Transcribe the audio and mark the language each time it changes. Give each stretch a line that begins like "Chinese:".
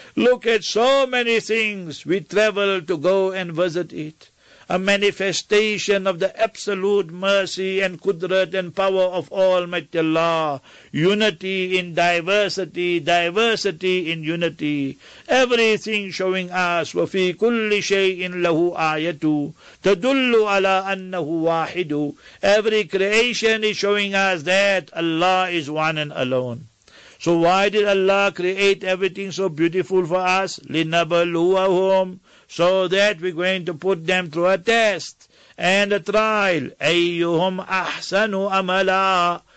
English: Look at so many things. We travel to go and visit it. A manifestation of the absolute mercy and qudrat and power of Almighty Allah. Unity in diversity, diversity in unity. Everything showing us,
Arabic: وَفِي كُلِّ شَيْءٍ لَهُ آيَةٌ تَدُلُّ عَلَىٰ أَنَّهُ وَاحِدٌ.
English: Every creation is showing us that Allah is one and alone. So why did Allah create everything so beautiful for us?
Arabic: لِنَبَلُوَهُمْ.
English: So that we're going to put them through a test and a trial.
Arabic: أَيُّهُمْ أَحْسَنُ أَمَلًا.